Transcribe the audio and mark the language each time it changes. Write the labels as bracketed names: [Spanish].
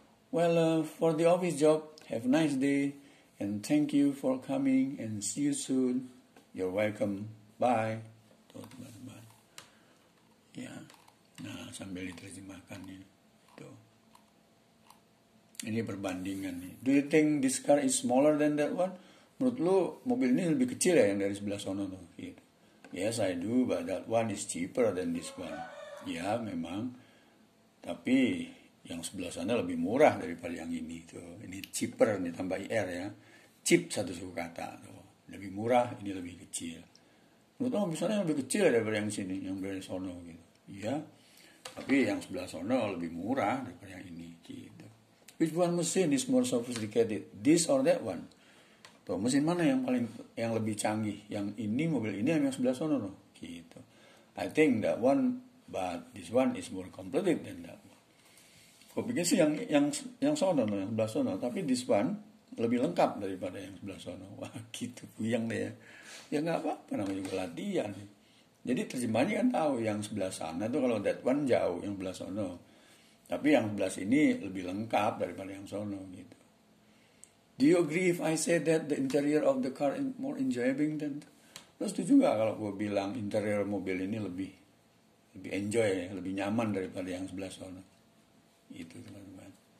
[English] Well, for the office job, have a nice day and thank you for coming and see you soon. You're welcome. Bye. [Indonesian] Tuh, teman-teman. Ya. Nah, sambil diterjemahkan ini. Tuh. Ini perbandingan nih. [English] Do you think this car is smaller than that one? [Indonesian] Menurut lu mobil ini lebih kecil ya yang dari sebelah sana tuh? [English] Yes, I do, but that one is cheaper than this one. [Indonesian] Ya, memang. Tapi yang sebelah sana lebih murah daripada yang ini tuh. Ini cheaper nih, tambah IR ya. Cheap satu suku kata tuh. Lebih murah, ini lebih kecil. Menurut lu misalnya lebih kecil daripada yang sini, yang dari sono gitu. Ya. Tapi yang sebelah sono lebih murah daripada yang ini gitu. [English] Which one machine is more sophisticated, this or that one? [Indonesian] Tuh, mesin mana yang paling yang lebih canggih? Yang ini, mobil ini yang sebelah sana loh. Gitu. [English] I think that one, but this one is more complicated than that one. [Indonesian] Gue pikir sih yang sana loh, yang sebelah sana. Tapi this one lebih lengkap daripada yang sebelah sana. Wah, gitu. Buyang deh ya. Ya gak apa-apa, namanya juga latihan. Jadi terjemahnya kan tahu yang sebelah sana tuh kalau that one jauh, yang sebelah sana. Tapi yang sebelah ini lebih lengkap daripada yang sono gitu. [English] Do you agree if I say that the interior of the car is more enjoying than? [Indonesian] Lo setuju gak kalau gue bilang interior mobil ini lebih enjoy, lebih nyaman daripada yang sebelah sono? Itu teman-teman.